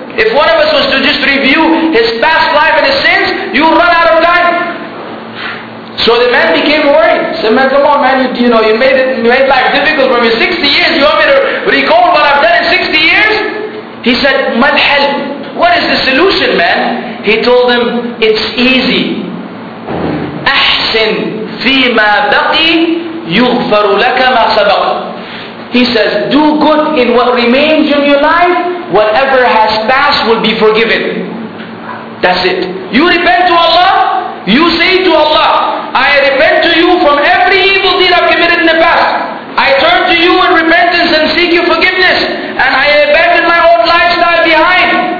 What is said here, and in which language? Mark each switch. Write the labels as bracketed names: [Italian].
[English] If one of us was to just review his past life and his sins, you'll run out of time. So the man became worried. He said, man, come on man, you made life difficult for me. 60 years, you want me to recall what I've done in 60 years? He said, [Arabic] mal hal? [English] What is the solution, man? He told him, it's easy. [Arabic] أحسن فيما بقي يغفر لك ما سبق. [English] He says, do good in what remains in your life, whatever has passed will be forgiven. That's it. You repent to Allah, you say to Allah, I repent to you from every evil deed I've committed in the past. I turn to you in repentance and seek your forgiveness, and I abandon my old lifestyle behind.